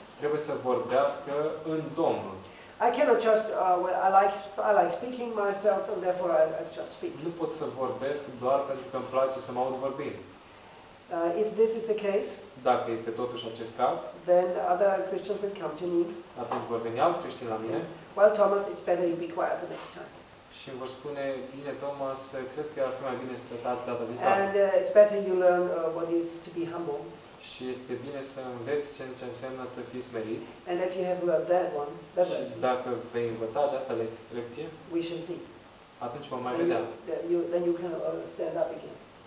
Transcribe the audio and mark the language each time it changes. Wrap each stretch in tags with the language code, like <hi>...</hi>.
<ro>Trebuie să vorbească în Domnul.</ro> <en>I cannot just I like speaking myself and therefore I just speak.</en> <ro>Nu pot să vorbesc doar pentru că îmi place să mă aud vorbind.</ro> <en>If this is the case,</en> <ro>dacă este totuși acest caz,</ro> <en>then other Christians will come to me.</en> <ro>Atunci vor veni alți creștini la mine.</ro> <en>Well, Thomas, it's better you be quiet the next time.</en> <ro>Și îmi vor spune, bine, Thomas, cred că ar fi mai bine să tați data viitoare.</ro> <en>And it's better you learn what is to be humble.</en> <ro>Și este bine să înveți ce înseamnă să fii smerit.</ro> <en>And if you have learned that one, that</en> <ro>și</ro> <en>lesson,</en> <ro>dacă vei învăța această lecție,</ro> <en>we shall see.</en> <ro>Atunci vom mai</ro> <en>then</en> <ro>vedea.</ro> <en>Then you can stand up again.</en>